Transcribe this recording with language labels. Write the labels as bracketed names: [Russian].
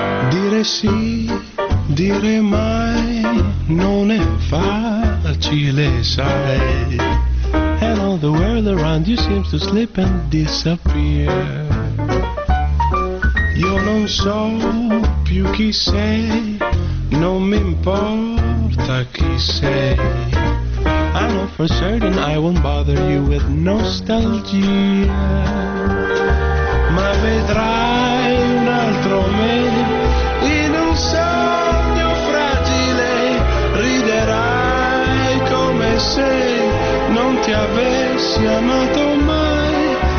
[Italian] Dire sì, dire mai non è facile, sai. [English] And all the world around you seems to slip and disappear. [Italian] Io non so più chi sei, non mi importa chi sei. [English] I know for certain I won't bother you with nostalgia. [Italian] Ma vedrai un altro me in un sogno fragile. Riderai come se non ti avessi amato mai.